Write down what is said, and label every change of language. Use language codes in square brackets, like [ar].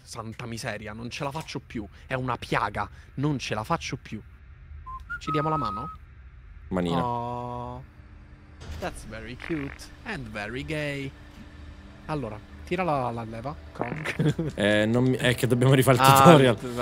[it] Santa miseria, non ce la faccio più. È una piaga, non ce la faccio più. Ci diamo la mano? Manina. [en] Oh, that's very cute and very gay. [it] Allora, tira la leva. È che dobbiamo rifare il tutorial.